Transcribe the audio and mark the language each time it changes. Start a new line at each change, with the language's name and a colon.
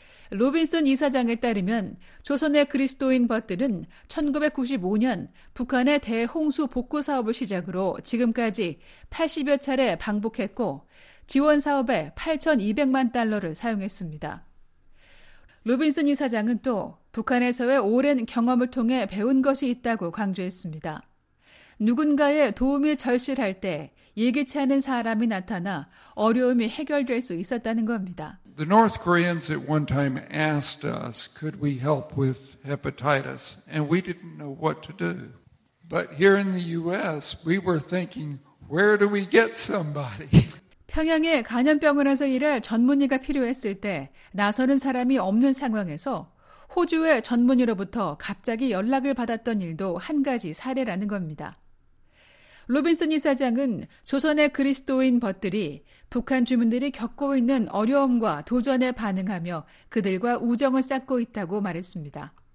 Korean: 로빈슨 이사장에 따르면 조선의 그리스도인 벗들은 1995년 북한의 대홍수 복구 사업을 시작으로 지금까지 80여 차례 방북했고 지원 사업에 8,200만 달러를 사용했습니다. 로빈슨 이사장은 또 북한에서의 오랜 경험을 통해 배운 것이 있다고 강조했습니다. 누군가의 도움이 절실할 때 예기치 않은 사람이 나타나 어려움이 해결될 수 있었다는 겁니다.
English: The North Koreans at one time asked us, could we help with hepatitis? And we didn't know what to do. But here in the U.S., we were thinking, where do we get somebody?
Korean: 평양의 간염병원에서 일할 전문의가 필요했을 때 나서는 사람이 없는 상황에서 호주의 전문의로부터 갑자기 연락을 받았던 일도 한 가지 사례라는 겁니다. 로빈슨 이사장은 조선의 그리스도인 벗들이 북한 주민들이 겪고 있는 어려움과 도전에 반응하며 그들과 우정을 쌓고 있다고 말했습니다.